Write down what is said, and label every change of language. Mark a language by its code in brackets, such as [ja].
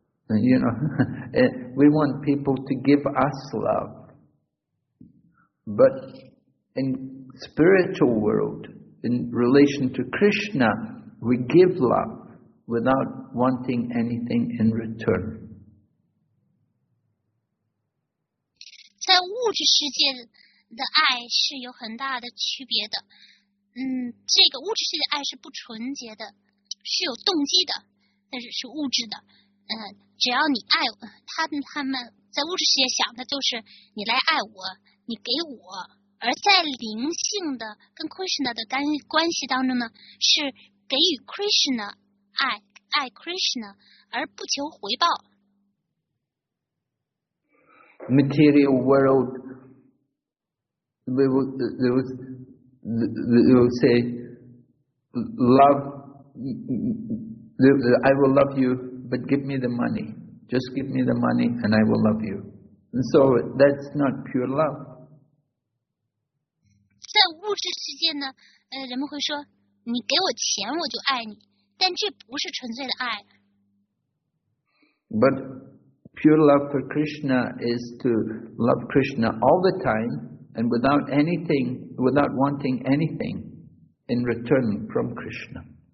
[en] You know, we want people to give us love, but in spiritual world, in relation to Krishna, we give love without wanting anything in return. [zh] 在物质世界的爱是有很大的区别的。嗯，这个物质世界的爱是不纯洁的，是有动机的，但是是物质的。只要你爱他们在物质世界想的就是你来爱我，你给我。而在灵性的跟 Krishna 的关系当中呢，是给予 Krishna 爱，爱 Krishna 而不求回报。 [en] Material world, they will say, love, I will love you, but give me the money. Just give me the money and I will love you. And so that's not pure love. [zh] 在物质世界呢，人们会说，你给我钱我就爱你，但这不是纯粹的爱。 [en] But pure love for Krishna is to love Krishna all the time and without anything, without wanting anything in return from Krishna.